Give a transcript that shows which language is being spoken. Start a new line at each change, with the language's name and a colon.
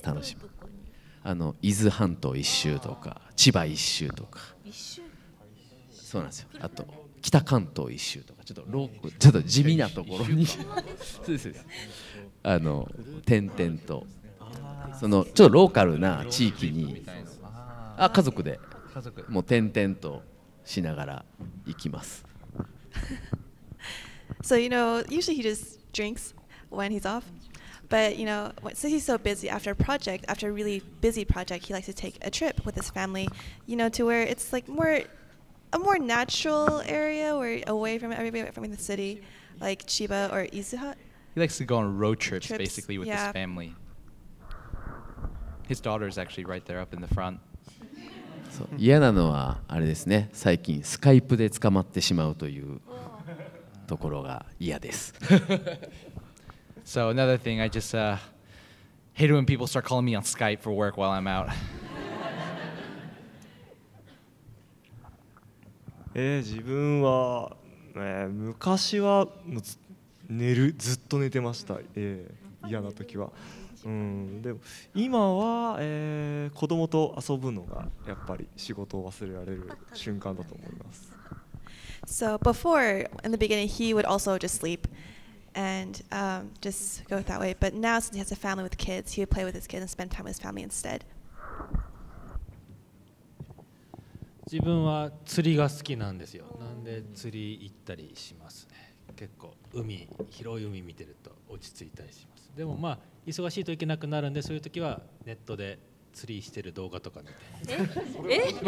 Japanese: 楽しみ、あの伊豆半島一周とか千葉一周とか、そうなんですよ、あと北関東一周とか、ちょっとローク、ちょっと地味なところにそうです、あの点々と、そのちょっとローカルな地域に、あ、家族でもう点々としながら行きます。
English: So you know, usually he just drinks when he's off, but you know, since he's so busy after a project, after a really busy project, he likes to take a trip with his family, you know, to where it's like more a more natural area, where away from everybody, away from the city, like Chiba or Izuha. He likes to go on road trips basically with his family. His daughter is actually right there up in the front.
Japanese: そう、嫌なのはあれですね、最近スカイプで捕まってしまうというところが嫌です。
English: So another thing, I just hate it when people start calling me on Skype for work while I'm out.
Japanese: 自分は、昔はもう寝る、ずっと寝てました、嫌な時は、でも今は、子供と遊ぶのがやっぱり仕事を忘れられる瞬間だと思います。
English: So before, in the beginning, he would also just sleep and、just go that way. But now, since he has a family with kids, he would play with his kids and spend time with his family instead.
Japanese: 自分は釣りが好きなんですよ。なんで釣り行ったりしますね。結構海、広い海見てると落ち着いたりします。でもまあ忙しいといけなくなるんで、そういう時はネットで釣りしてる動画とか見て、